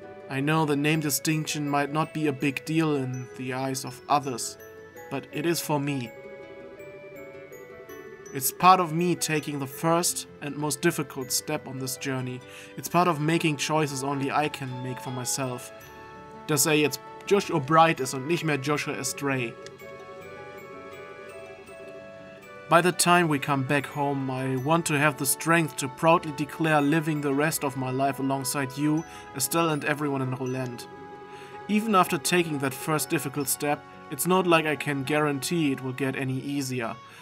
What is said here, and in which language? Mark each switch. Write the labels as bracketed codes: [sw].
[en] I know the name distinction might not be a big deal in the eyes of others, but it is for me. It's part of me taking the first and most difficult step on this journey. It's part of making choices only I can make for myself. [de] Dass er jetzt Joshua Bright ist und nicht mehr Joshua Estray. [en] By the time we come back home, I want to have the strength to proudly declare living the rest of my life alongside you, Estelle and everyone in Roland. Even after taking that first difficult step, it's not like I can guarantee it will get any easier.